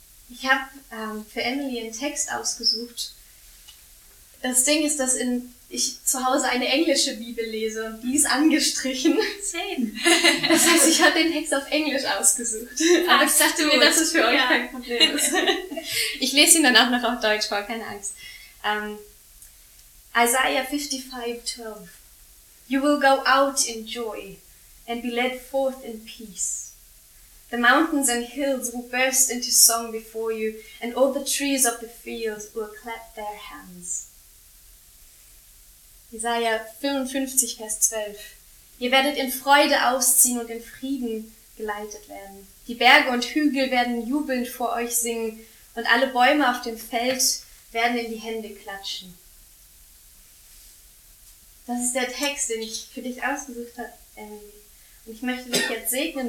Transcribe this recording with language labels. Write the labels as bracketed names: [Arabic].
[German] Ich habe für Emily einen Text ausgesucht. Das Ding ist, dass ich zu Hause eine englische Bibel lese. Die ist angestrichen. [English] Same. [German] Das heißt, ich habe den Text auf Englisch ausgesucht. Aber ich dachte mir, dass es für euch kein Problem ist. Ich lese ihn dann auch noch auf Deutsch vor, keine Angst. [English] Isaiah 55:12. You will go out in joy and be led forth in peace. The mountains and hills will burst into song before you, and all the trees of the fields will clap their hands. [German] Isaiah 55, Vers 12. Ihr werdet in Freude ausziehen und in Frieden geleitet werden. Die Berge und Hügel werden jubelnd vor euch singen und alle Bäume auf dem Feld werden in die Hände klatschen. Das ist der Text, den ich für dich ausgesucht habe, Emily. Und ich möchte dich jetzt segnen.